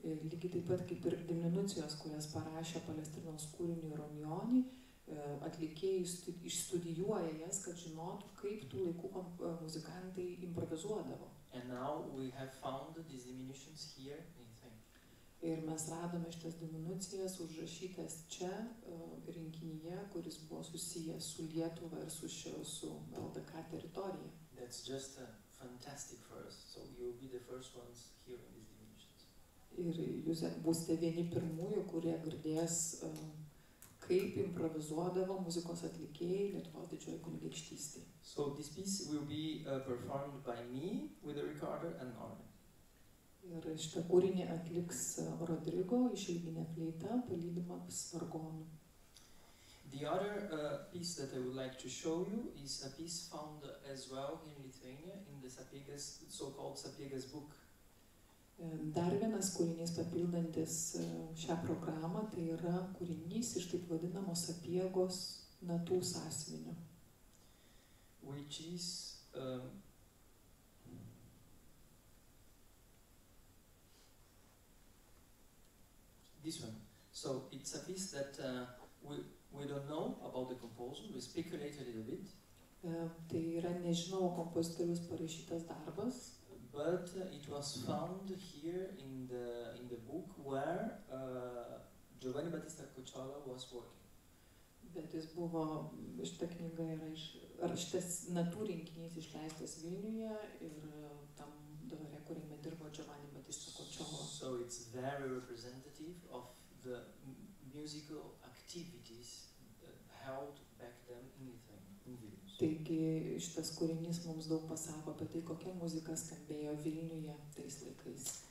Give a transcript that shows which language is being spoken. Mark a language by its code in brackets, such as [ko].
[lt] Lygiai taip pat kaip ir diminucijos, kurias parašė Palestrinos kūrinį Ragnoni, atlikėjai išstudijuoja jas, kad žinotų, kaip tų laikų muzikantai improvizuodavo. [en] And now we have found these diminutions here. [lt] Ir mes radome šitas diminucijas užrašytas čia rinkinyje, kuris buvo susijęs su Lietuva ir su LDK teritorija. [en] That's just fantastic for us. So you'll be the first ones here in these diminutions. [lt] Ir jūs būsite vieni pirmųjų, kurie girdės, kaip improvizuodavo muzikos atlikėjai Lietuvos didžioji kunigaikštystė. [en] So this piece will be performed by me with a recorder and organ. [lt] Ir šitą kūrinį atliks Rodrigo išilginė fleita, palydimą vargonų. [en] The other piece that I would like to show you is a piece found as well in Lithuania in the Sapiegas, so-called Sapiegas book. [lt] Dar vienas kūrinys papildantis šią programą, tai yra kūrinys iš taip vadinamos Sapiegos natų sąsiuvinio. [en] Which is this one. So it's a piece that we don't know about the composer, we speculated a little bit. [lt] Tai yra nežinomo kompozitoriaus parašytas darbas. [en] But it was found here in the book where Giovanni Battista Cucciola was working. [lt] Bet jis buvo, šita knyga yra iš, ar šitas natų rinkinys išleistas Vilniuje ir tam dvare, kuriame dirbo Giovanni Battista Cucciola. [en] So it's very representative of the musical activities held back then in Lithuania. [lt] Taigi šitas kūrinys mums daug pasako apie tai, kokia muzika skambėjo Vilniuje tais laikais.